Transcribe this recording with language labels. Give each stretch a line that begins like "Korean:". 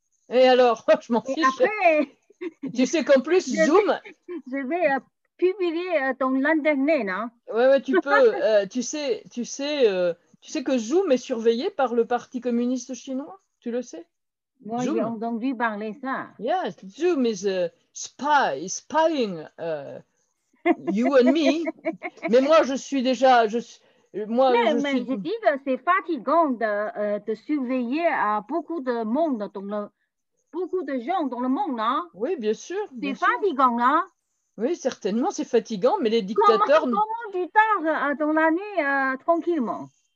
French: Et alors, je m'en fiche. Après, tu sais qu'en plus, Zoom. Je vais publier ton internet, non? Ouais, ouais, tu peux. tu sais. Tu sais que Zoom est surveillé par le Parti communiste chinois, tu le sais? Moi, j'ai entendu parler ça.
English: Yes, Zoom is a spy, spying you and me.
French: Mais moi, je suis déjà... je dis que c'est fatigant de surveiller beaucoup de monde, beaucoup de gens dans le monde, non? Oui, bien sûr. C'est fatigant, non? Oui, certainement, c'est fatigant, mais les dictateurs... Comment tu dors dans l'année tranquillement?